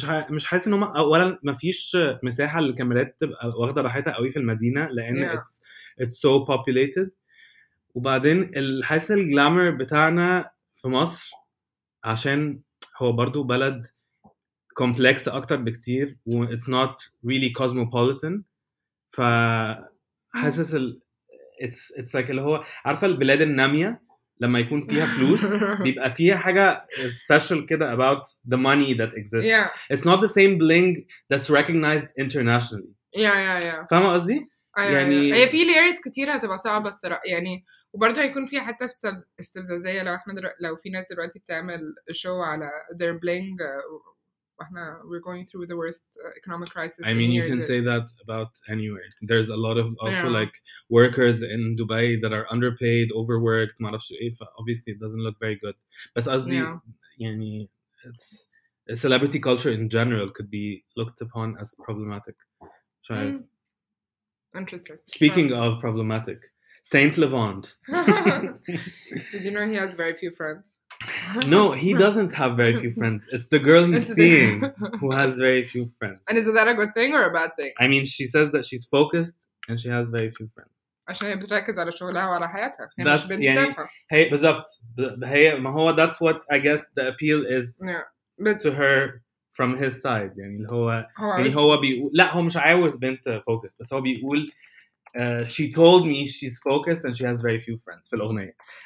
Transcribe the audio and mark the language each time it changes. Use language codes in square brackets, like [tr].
[ar] مش حاسس ان هم اولا مفيش مساحة للكاميرات تبقى واخدة راحتها قوي في المدينة لان [en] it's so populated [ar] وبعدين حاسس الجلامر بتاعنا في مصر عشان هو برضو بلد complex أكتر بكتير و [en] it's not really cosmopolitan [ar] فحسس it's like اللي هو عارفة البلاد النامية لما يكون فيها فلوس بيبقى فيها حاجة special كده [en] about the money that exists yeah. it's not the same bling that's recognized internationally yeah [ar] فهم قصدي؟ يعني هي في layers كتيرة هتبقى صعبة الصراحة يعني وبرضه هيكون في حتى استفزازية لو احنا لو في ناس دلوقتي بتعمل شو على [en] their bling [ar] واحنا [en] we're going through the worst economic crisis I mean you can say that about anywhere there's a lot of also like workers in Dubai that are underpaid overworked [ar] ما اعرفش ايه [en] obviously it doesn't look very good [ar] بس قصدي يعني [en] it's celebrity culture in general could be looked upon as problematic interesting speaking of problematic Saint Levant. Did you know he has very few friends? No, he doesn't have very few friends. It's the girl he's seeing who has very few friends. And is that a good thing or a bad thing? I mean, she says that she's focused and she has very few friends. [ar] عشان هي بتركز على شغلها وعلى حياتها. [en] That's [ar] يعني هي بالضبط هي ما هو [en] that's what I guess the appeal is yeah. But to her from his side [ar] يعني اللي هو يعني هو بيقول لا هو مش عاوز بنت [en] focus [ar] بس هو بيقول [en] she told me she's focused and she has very few friends [ar] في الأغنية.